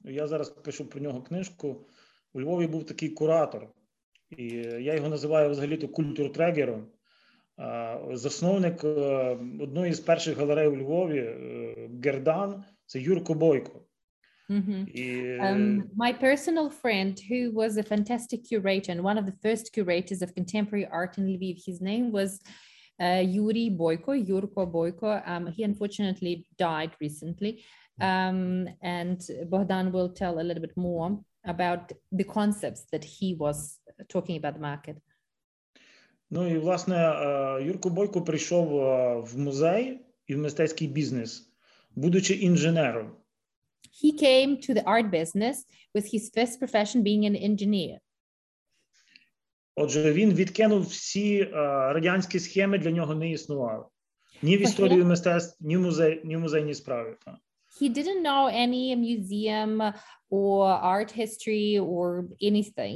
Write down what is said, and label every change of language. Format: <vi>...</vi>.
<uk>Я зараз пишу про нього книжку. У Львові був такий куратор, і я його називаю взагалі-то культуртрегером. Засновник одної з перших галерей у Львові, Гердан, це Юрко Бойко. Mm-hmm.</uk> <en>My personal friend, who was a fantastic curator and one of the first curators of contemporary art in Lviv, his name was Yurko Boyko. He unfortunately died recently. And Bohdan will tell a little bit more about the concepts that he was talking about the market.</en> <uk>Ну і власне Юрко Бойко прийшов в музей і в мистецький бізнес, будучи інженером.</uk> <en>He came to the art business with his first profession being an engineer.</en> <uk>Отже, він відкинув всі радянські схеми, для нього не існували. Ні в історії мистецтв, ні в музеї, ні в музейній справі.</uk> <en>He didn't know any museum or art history or anything.</en>